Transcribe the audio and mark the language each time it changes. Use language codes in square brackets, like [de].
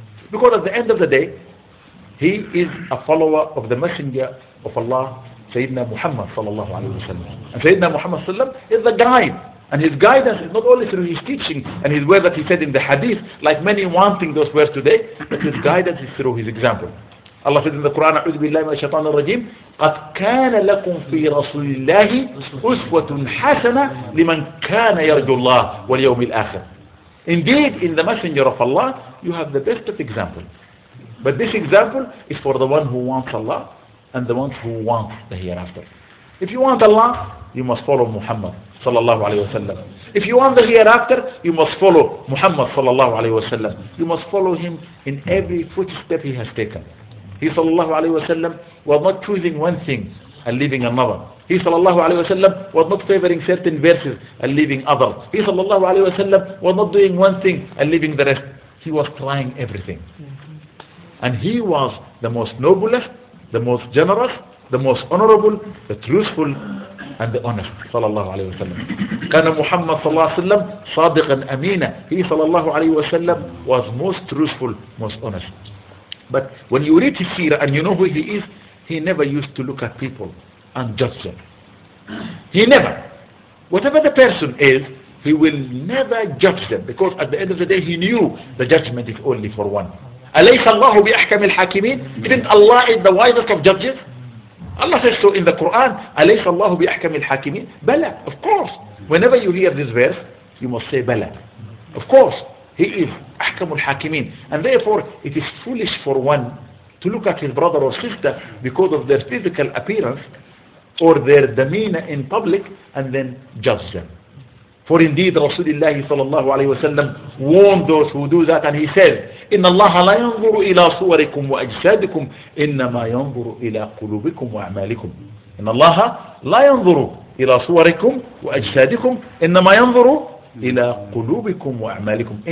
[en] Because at the end of the day, he is a follower of the Messenger of Allah, Sayyidina Muhammad sallallahu alayhi wa sallam. And Sayyidina Muhammad sallam is the guide. And his guidance is not only through his teaching and his word that he said in the hadith, like many wanting those words today, but his guidance is through his example. [ar] الله في القرآن أعوذ بالله من الشيطان الرجيم قد كان لكم في رسول الله أسوة حسنة لمن كان يرجو الله واليوم الآخر. [en] Indeed, in the messenger of Allah, you have the best of example. But this example is for the one who wants Allah and the one who wants the hereafter. If you want Allah, you must follow Muhammad sallallahu alayhi wa sallam. If you want the hereafter, you must follow Muhammad sallallahu alayhi wa sallam. You must follow him in every footstep he has taken. He sallallahu alayhi wa sallam was not choosing one thing and leaving another. He sallallahu alayhi wa sallam was not favoring certain verses and leaving others. He sallallahu alayhi wa sallam was not doing one thing and leaving the rest. He was trying everything. And he was the most noblest, the most generous, the most honorable, the truthful, and the honest. Sallallahu alayhi wa sallam. [ar] كان محمد صلى الله عليه وسلم صادقا أمينا. [en] He sallallahu alayhi wa sallam was most truthful, most honest. But when you read his seerah and you know who he is, he never used to look at people and judge them. He never. Whatever the person is, he will never judge them. Because at the end of the day, he knew the judgment is only for one. [ar] أليس الله بأحكم الحاكمين؟ [en] Didn't Allah is the wisest of judges? Allah says so in the Quran. [ar] أليس الله بأحكم الحاكمين؟ بلى, [en] of course. Whenever you hear this verse, you must say بلى. Of course, he is [ar] أحكم الحاكمين. [en] And therefore, it is foolish for one to look at his brother or sister because of their physical appearance or their demeanor in public and then judge them. For indeed, Rasulullah sallallahu alayhi wa sallam warned those who do that and he said, [ar] إِنَّ اللَّهَ لَا يَنْظُرُ إِلَىٰ صُوَرِكُمْ وَأَجْسَادِكُمْ إِنَّمَا يَنْظُرُ إِلَىٰ قُلُوبِكُمْ وَأَعْمَالِكُمْ إِنَّ اللَّهَ لَا يَنْظُرُ إِلَىٰ صُوَرِكُمْ وَأَجْسَادِكُمْ إِنَّمَا يَنْظُرُ إِلَىٰ قُلُوبِكُمْ وَأَعْمَالِكُمْ.